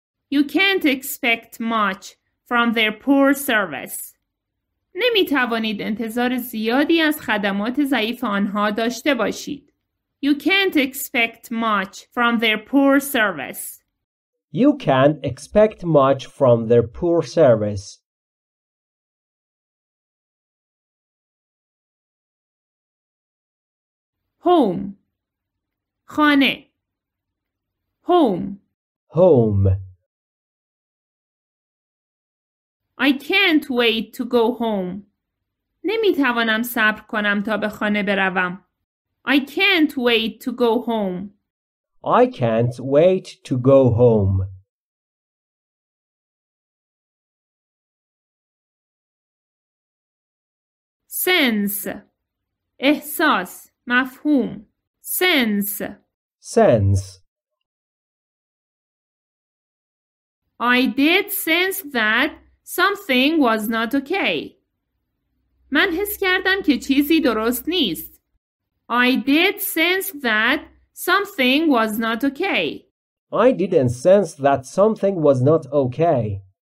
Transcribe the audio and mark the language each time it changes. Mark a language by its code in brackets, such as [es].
[en] You can't expect much from their poor service. [fa] نمی توانید انتظار زیادی از خدمات ضعیف آنها داشته باشید. [en] You can't expect much from their poor service. You can't expect much from their poor service. Home. [fa] خانه. [en] Home. Home. I can't wait to go home. [fa] نمی توانم صبر کنم تا به خانه بروم. [en] I can't wait to go home. I can't wait to go home. Sense. [fa] احساس. مفهوم. [en] Sense. Sense. I did sense that something was not okay. [fa] من حس کردم که چیزی درست نیست. [en] I did sense that something was not okay. I didn't sense that something was not okay.